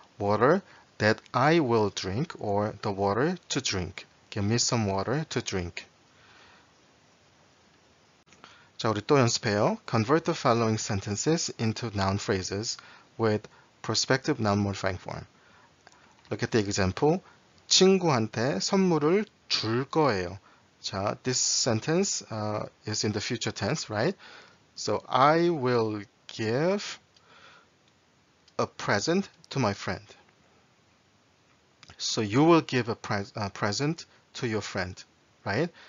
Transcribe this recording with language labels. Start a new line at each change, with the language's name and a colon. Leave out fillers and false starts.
English: Water that I will drink or the water to drink. Give me some water to drink.
Korean: 자, 우리 또 연습해요.
English: Convert the following sentences into noun phrases with prospective noun modifying form. Look at the example.
Korean: 친구한테 선물을 줄 거예요.
English: 자, this sentence is in the future tense, right? So I will give a present to my friend. So you will give a present to your friend, right?